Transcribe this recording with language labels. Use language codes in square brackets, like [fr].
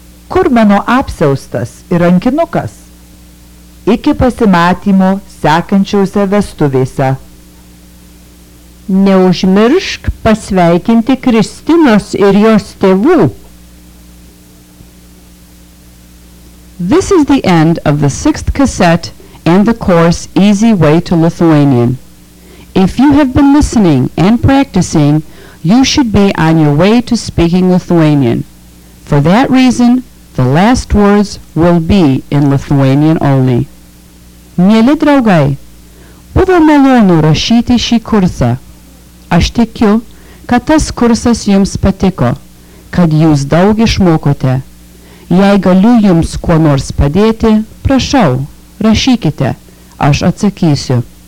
[lt] Kur mano apsiaustas ir rankinukas? Iki pasimatymo sekančiuose vestuvėse. Neužmiršk pasveikinti Kristinos ir jos tėvų. [en] This is the end of the sixth cassette and the course Easy Way to Lithuanian. If you have been listening and practicing, you should be on your way to speaking Lithuanian. For that reason, the last words will be in Lithuanian only. [lt] Mėly draugai, buvo malonu rašyti šį kursą. Aš tikiu, kad tas kursas jums patiko, kad jūs daug išmokote. Jei galiu jums kuo nors padėti, prašau, rašykite, aš atsakysiu.